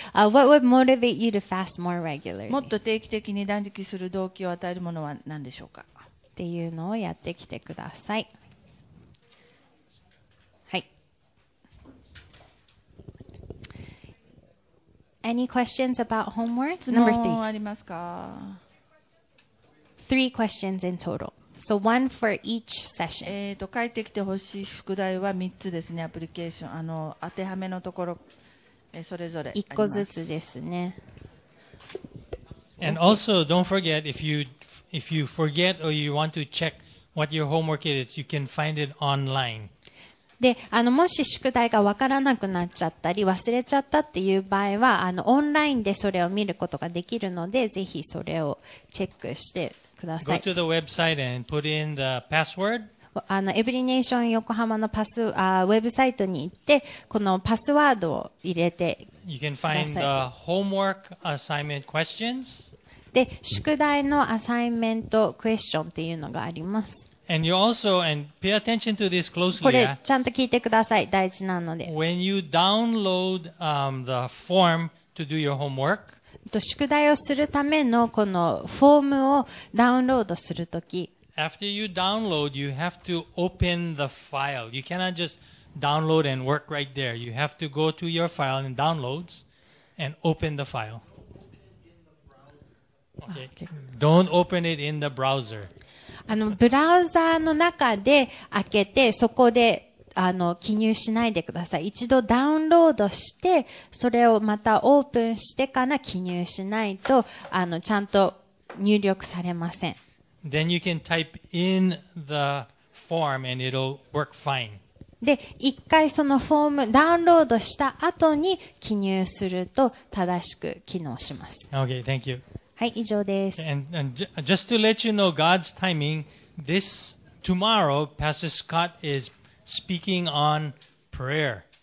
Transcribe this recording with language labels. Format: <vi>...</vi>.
<en>What would motivate you to fast more regularly?</en> <ja>もっと定期的に断食する動機を与えるものは何でしょうか? っていうのをやってきてください。はい。</ja> <en>Any questions about homework?</en> <ja>質問ありますか?</ja> <en>Three questions in total. So one for each session.</en> <ja>書いてきてほしい宿題は3つですね。アプリケーション、当てはめのところ、それぞれあります。1 個ずつですね。</ja> <en>And also, don't forget if you forget or you want to check what your homework is, you can find it online.</en> <ja>で、もし宿題がわからなくなっちゃったり忘れちゃったっていう場合は、オンラインでそれを見ることができるので、ぜひそれをチェックしてください。</ja> <en>Go to the website and put in the password.</en> <ja>エブリネーション横浜のウェブサイトに行って、このパスワードを入れてください。</ja> <en>You can find the homework assignment questions.</en> <ja>で、宿題のアサイメントクエスチョンっていうのがあります。</ja> <en>And you also and pay attention to this closely.</en> <ja>これちゃんと聞いてください。大事なので。</ja> <en>When you download the form to do your homework,</en> <ja>宿題をするためのこのフォームをダウンロードするとき。</ja> <en>After you download, you have to open the file. You cannot just download and work right there. You have to go to your file and downloads and open the file. Okay. Don't open it in the browser.</en> <ja>ブラウザーの中で開けて、そこで記入しないでください。一度ダウンロードして、それをまたオープンしてから記入しないと、ちゃんと入力されません。</ja> <en>Then you can type in the form and it'll work fine.</en> <ja>で、一回そのフォームダウンロードした後に記入すると正しく機能します。</ja> <en>Okay, thank you.</en> <ja>はい、以上です。</ja> <en>And just to let you know God's timing, this tomorrow Pastor Scott is speaking on prayer.</en>